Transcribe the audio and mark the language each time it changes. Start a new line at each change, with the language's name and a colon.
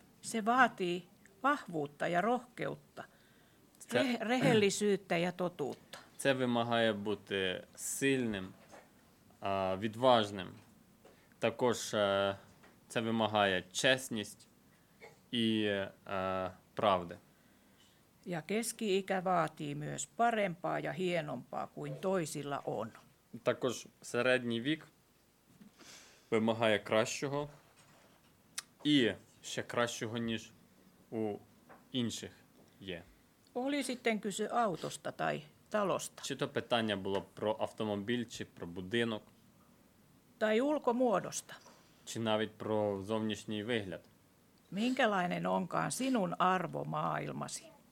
Finnish: Se vaatii vahvuutta ja rohkeutta, rehellisyyttä ja totuutta.
Ukrainian: Це вимагає бути сильним, відважним. Також це вимагає чесність і правди.
Finnish: Ja keski-ikä vaatii myös parempaa ja hienompaa kuin toisilla on.
Ukrainian: Також середній вік вимагає кращого і ще кращого, ніж у інших є.
Finnish: Oli sitten kyse autosta tai talosta.
Ukrainian: Чи то питання було про автомобіль чи про будинок?
Finnish: Tai ulkomuodosta.
Ukrainian: Чи навіть про зовнішній вигляд?
Finnish: Minkälainen onkaan sinun arvo maailmasi?